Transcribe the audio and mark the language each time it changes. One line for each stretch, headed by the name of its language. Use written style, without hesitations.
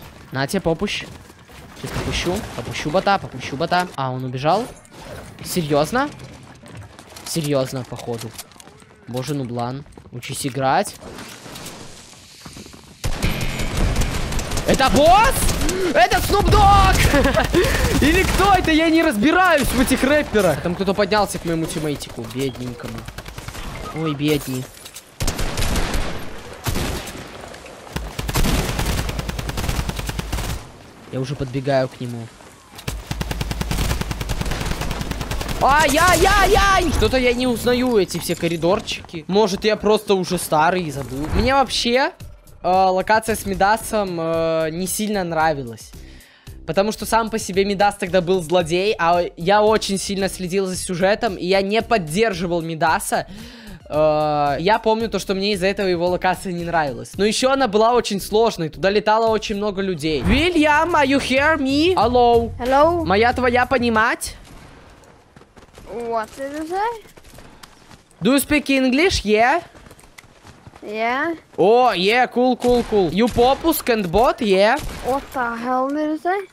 Russian: На тебе попущ. Сейчас попущу. Попущу бота. А, он убежал? Серьезно? Серьезно, походу. Боже, Нублан, учись играть. Это босс? Это Snoop Dogg? Или кто это? Я не разбираюсь в этих рэперах. Там кто-то поднялся к моему тиммейтику, бедненькому. Ой, бедный. Я уже подбегаю к нему. Ай-яй-яй-яй! Что-то я не узнаю эти все коридорчики. Может, я просто уже старый и забыл. Мне вообще локация с Мидасом не сильно нравилась. Потому что сам по себе Мидас тогда был злодей, а я очень сильно следил за сюжетом, и я не поддерживал Мидаса. Я помню то, что мне из-за этого его локация не нравилась. Но еще она была очень сложной, туда летало очень много людей.
English: Вильям, are you hear me? Hello. Hello.
Russian: Моя твоя понимать?
English: What did you say? Do you speak English? Yeah. Yeah. Oh, yeah, cool. You popus can bot? Yeah. What the hell did you say?